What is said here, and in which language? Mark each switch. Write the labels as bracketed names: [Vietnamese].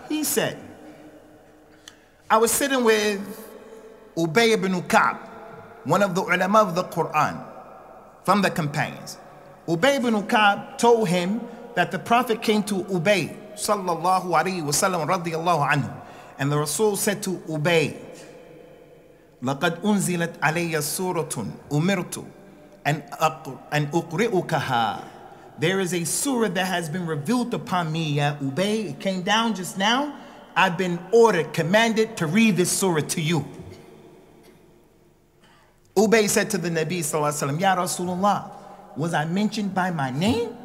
[English] He said, I was sitting with Ubay ibn Ka'b, one of the ulama of the Quran, from the companions. Ubay ibn Ka'b told him that the Prophet came to Ubay, sallallahu alayhi wa sallam, radiyallahu anhu. And the Rasul said to Ubay, [Arabic] لقد أنزلت علي سورة أمرت أن أقرئكها. [English] There is a surah that has been revealed upon me, Ya Ubay. It came down just now. I've been ordered, commanded to read this surah to you. Ubay said to the Nabi sallallahu alayhi wa sallam, Ya Rasulullah, was I mentioned by my name?